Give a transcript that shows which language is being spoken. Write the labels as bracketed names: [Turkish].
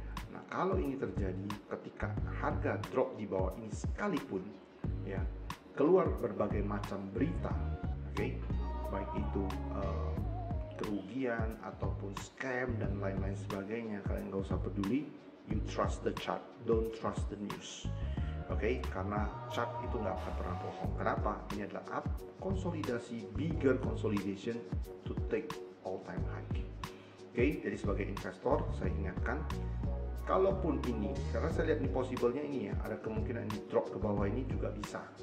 [Indonesian] Nah, kalau ini terjadi, ketika harga drop di bawah ini sekalipun, ya, keluar berbagai macam berita, oke, baik itu kerugian ataupun scam dan lain-lain sebagainya, kalian nggak usah peduli. [English] You trust the chart, don't trust the news, oke? [Indonesian] Karena chart itu nggak akan pernah bohong. Kenapa? Ini adalah up konsolidasi, [English] bigger consolidation to take all time high, [Indonesian] oke? Jadi sebagai investor, saya ingatkan, kalaupun ini, karena saya lihat ini possible-nya ini ya, ada kemungkinan ini drop ke bawah ini juga bisa.